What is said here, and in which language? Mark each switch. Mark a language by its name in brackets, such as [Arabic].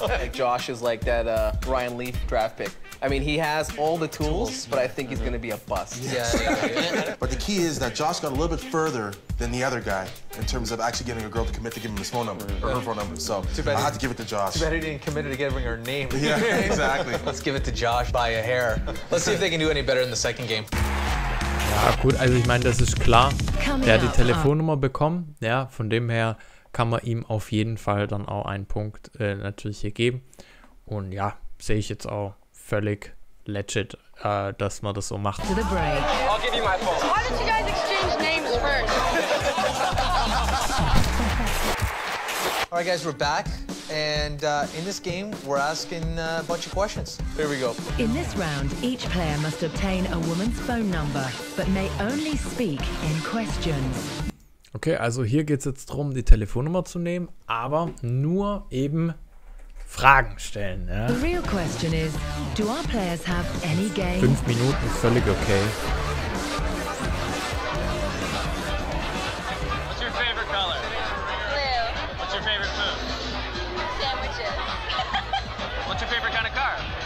[English] Josh is like that Ryan Leaf draft pick. I mean, he has all the tools, but I think he's gonna be a bust. Yes. Yeah. But the key is that Josh got a little bit further than the other guy in terms of actually getting a girl to commit to give him his phone number or her phone number. So I had to give it to Josh. Too bad he didn't commit to giving her name. Yeah, exactly. Let's give it to Josh by a hair. Let's see if they can do any better in the second game. [German] Ja, gut, also ich meine, das ist klar. Der hat die Telefonnummer bekommen. Ja, von dem her kann man ihm auf jeden Fall dann auch einen Punkt natürlich hier geben. Und ja, sehe ich jetzt auch völlig legit, dass man das so macht. [English] I'll give you my phone. Why don't you guys exchange names first? Alright guys, we're back. And in this game, we're asking a bunch of questions. Here we go. In this round, each player must obtain a woman's phone number, but may only speak in questions. [German] Okay, also hier geht es jetzt darum, die Telefonnummer zu nehmen, aber nur eben Fragen stellen. Ja? [English] The real question is, do our players have any game? [German] 5 Minuten, völlig okay. [English] What's your favorite color? Blue. What's your favorite food? Sandwiches. What's your favorite kind of car?